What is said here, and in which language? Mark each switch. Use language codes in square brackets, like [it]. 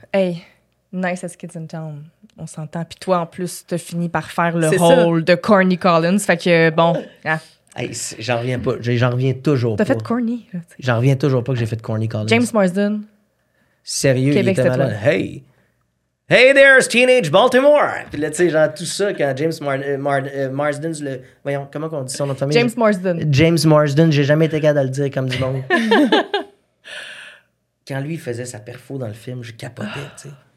[en] Hey, Nice is Kids in Town. [fr] On s'entend. Puis toi, en plus, t'as fini par faire le rôle de Corny Collins. Fait que, bon. Hey, j'en reviens pas. J'en reviens toujours t'as pas. T'as fait Corny. J'en reviens toujours pas que j'ai fait Corny Collins. James Marsden. Sérieux, Québec, il était malade. Hey! [en] Hey there, it's Teenage Baltimore! [fr] Puis là, tu sais, genre tout ça quand James Marsden, le... Voyons, comment on dit son nom de famille? James Marsden. James Marsden, j'ai jamais été capable de le dire comme du monde. Quand lui faisait sa perfo dans le film, je capotais, tu sais.